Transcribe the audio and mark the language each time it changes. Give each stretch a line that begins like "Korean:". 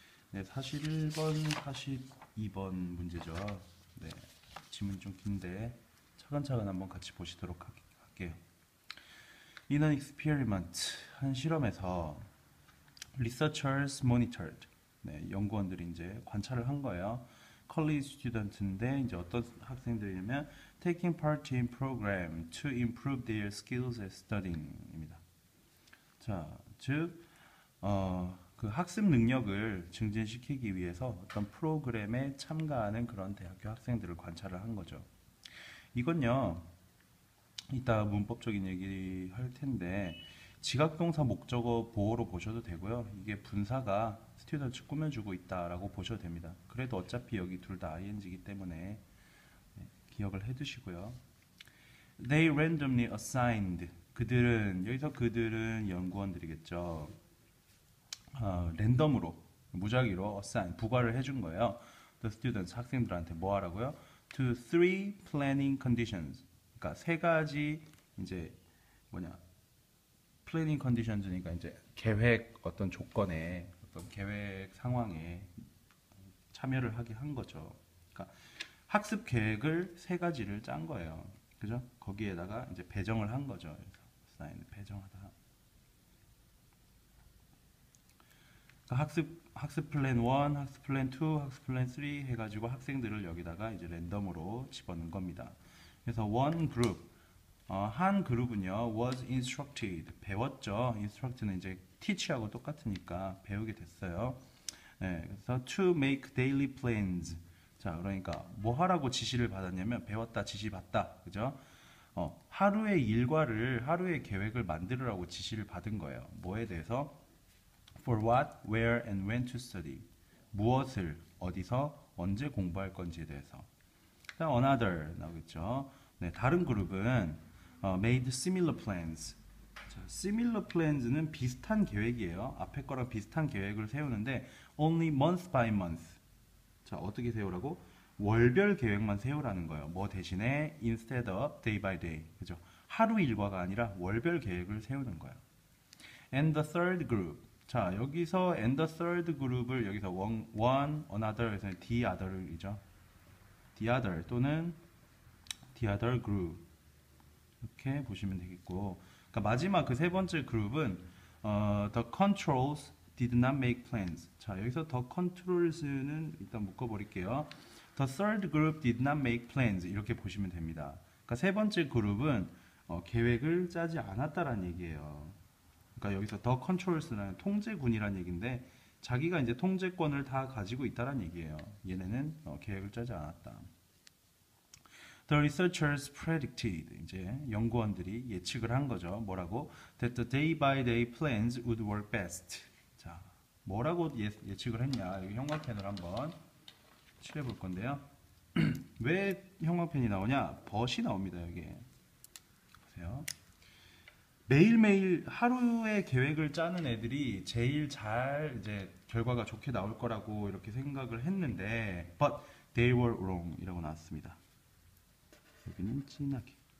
Korean: 네, 41번, 42번 문제죠. 네, 지문이 좀 긴데 차근차근 한번 같이 보시도록 할게요.
English: In an experiment,
Korean: 한 실험에서
English: researchers monitored,
Korean: 네, 연구원들이 이제 관찰을 한 거예요.
English: College student인데
Korean: 이제 어떤 학생들이냐면
English: taking part in program to improve their skills at studying입니다.
Korean: 자, 즉, 그 학습 능력을 증진시키기 위해서 어떤 프로그램에 참가하는 그런 대학교 학생들을 관찰을 한 거죠. 이건요, 이따 문법적인 얘기 할 텐데 지각동사 목적어 보호로 보셔도 되고요. 이게 분사가 스튜던트 꾸며주고 있다라고 보셔도 됩니다. 그래도 어차피 여기 둘다 ing이기 때문에 기억을 해두시고요.
English: They randomly assigned.
Korean: 그들은 여기서 그들은 연구원들이겠죠. 랜덤으로 무작위로 assign 부과를 해준 거예요.
English: The students
Korean: 학생들한테 뭐 하라고요?
English: To three planning conditions.
Korean: 그러니까 세 가지 이제 뭐냐? planning conditions니까 이제 계획 어떤 조건에 어떤 계획 상황에 참여를 하게 한 거죠. 그러니까 학습 계획을 세 가지를 짠 거예요. 그죠? 거기에다가 이제 배정을 한 거죠. 사인을 배정하다. 학습 플랜 1, 학습 플랜 2, 학습 플랜 3 해가지고 학생들을 여기다가 이제 랜덤으로 집어넣은 겁니다. 그래서
English: one group
Korean: 한 그룹은요,
English: was instructed.
Korean: 배웠죠. instruct는 이제 teach하고 똑같으니까 배우게 됐어요. 네, 그래서
English: to make daily plans.
Korean: 자, 그러니까 뭐 하라고 지시를 받았냐면 배웠다, 지시 받다. 그죠? 하루의 일과를, 하루의 계획을 만들으라고 지시를 받은 거예요. 뭐에 대해서?
English: For what, where, and when to study.
Korean: 무엇을, 어디서, 언제 공부할 건지에 대해서. 그다음 another 나오겠죠. 네, 다른 그룹은
English: made similar plans.
Korean: 자, similar plans는 비슷한 계획이에요. 앞에 거랑 비슷한 계획을 세우는데
English: only month by month.
Korean: 자, 어떻게 세우라고? 월별 계획만 세우라는 거예요. 뭐 대신에
English: instead of day by day.
Korean: 그죠? 하루 일과가 아니라 월별 계획을 세우는 거예요.
English: And the third group.
Korean: 자, 여기서 and the third group을 여기서 one another 해서 the other이죠. The other 또는 the other group. 이렇게 보시면 되겠고. 그러니까 마지막 그세 번째 그룹은
English: the controls did not make plans.
Korean: 자, 여기서 the controls는 일단 묶어 버릴게요.
English: The third group did not make plans.
Korean: 이렇게 보시면 됩니다. 그러니까 세 번째 그룹은 계획을 짜지 않았다라는 얘기예요. 그러니까 여기서 the controls라는 통제군이라는 얘기인데 자기가 이제 통제권을 다 가지고 있다라는 얘기예요. 얘네는 계획을 짜지 않았다.
English: The researchers predicted,
Korean: 이제 연구원들이 예측을 한 거죠. 뭐라고?
English: That the day by day plans would work best.
Korean: 자, 뭐라고 예측을 했냐? 여기 형광펜을 한번 칠해볼 건데요. 왜 형광펜이 나오냐? but이 나옵니다, 여기에. 보세요. 매일매일 하루의 계획을 짜는 애들이 제일 잘 이제 결과가 좋게 나올 거라고 이렇게 생각을 했는데,
English: but they were wrong
Korean: 이라고 나왔습니다. 여기는 진하게.